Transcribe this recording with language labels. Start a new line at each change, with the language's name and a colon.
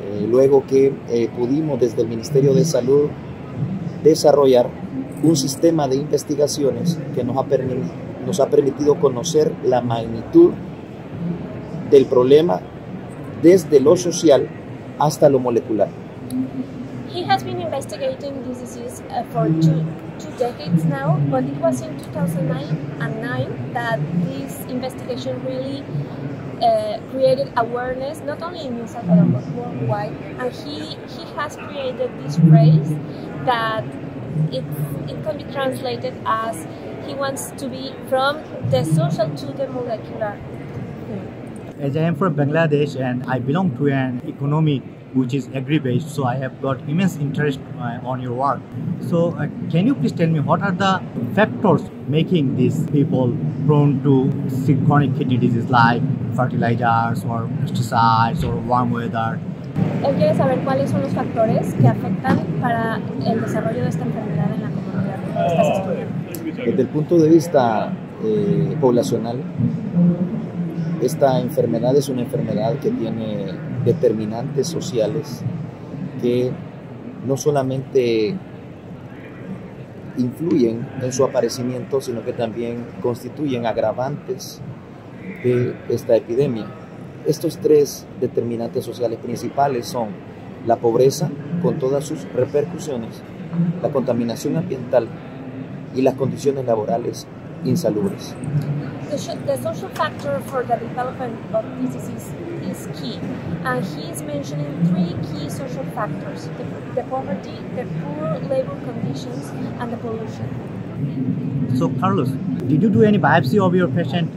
Spanish: luego que pudimos desde el Ministerio de Salud desarrollar un sistema de investigaciones que nos ha permitido conocer la magnitud del problema desde lo social hasta lo molecular.
English: He has been investigating this disease for two decades now, but it was in 2009 that this investigation really created awareness, not only in El Salvador, but worldwide. And he has created this phrase that it can be translated as he wants to be from the social to the molecular. As I am from Bangladesh and I belong to an economy which is agri-based, so I have got immense interest on your work. So can you please tell me what are the factors making these people prone to chronic kidney disease like fertilizers or pesticides or warm weather?
Spanish: Él quiere saber cuáles son los factores que afectan para el desarrollo de esta enfermedad en la comunidad que estás estudiando. Desde el punto de vista poblacional, esta enfermedad es una enfermedad que tiene determinantes sociales que no solamente influyen en su aparecimiento, sino que también constituyen agravantes de esta epidemia. Estos tres determinantes sociales principales son la pobreza, con todas sus repercusiones, la contaminación ambiental y las condiciones laborales insalubres.
English: The social factor for the development of this disease is key. And he is mentioning three key social factors: the poverty, the poor labor conditions, and the pollution. So, Carlos, did you do any biopsy of your patient?